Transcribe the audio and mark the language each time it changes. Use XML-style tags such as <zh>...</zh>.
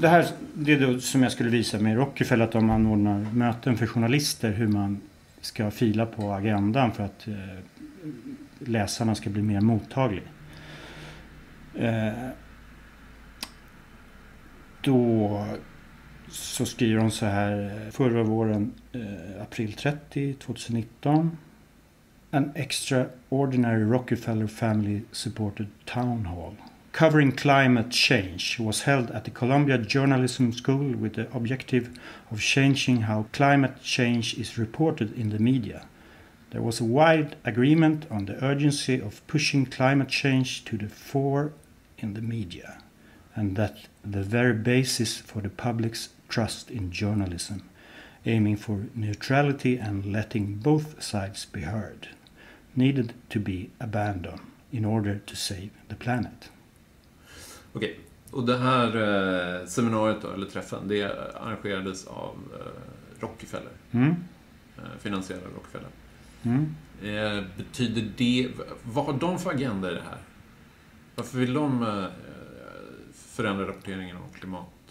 <sv>Det här, det är då som jag skulle visa med Rockefeller, att de anordnar möten för journalister, hur man ska fila på agendan för att läsarna ska bli mer mottaglig. Då så skriver de så här, förra våren, april 30, 2019.</sv> <en>An extraordinary Rockefeller family supported town hall covering climate change was held at the Columbia Journalism School with the objective of changing how climate change is reported in the media. There was a wide agreement on the urgency of pushing climate change to the fore in the media, and that the very basis for the public's trust in journalism, aiming for neutrality and letting both sides be heard, needed to be abandoned in order to save the planet. Okay.</en> <sv>Och det här seminariet då, eller träffen, det arrangerades av Rockefeller. Mm. Finansierad av Rockefeller. Mm. Betyder det, vad har de för agenda i det här? Varför vill de förändra rapporteringen om klimatet?</sv>